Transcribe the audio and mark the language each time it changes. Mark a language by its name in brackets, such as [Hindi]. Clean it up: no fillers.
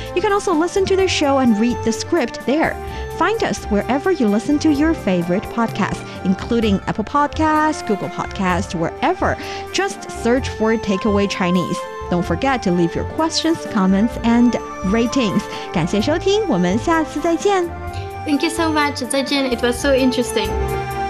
[English] You can also listen to the show and read the script there. Find us wherever you listen to your favorite podcast, including Apple Podcasts, Google Podcasts, wherever. Just search for Takeaway Chinese. Don't forget to leave your questions, comments, and ratings. [Chinese] 感谢收听，我们下次再见。 [English] Thank you so much. [Chinese] 再见。 [English] It was so interesting.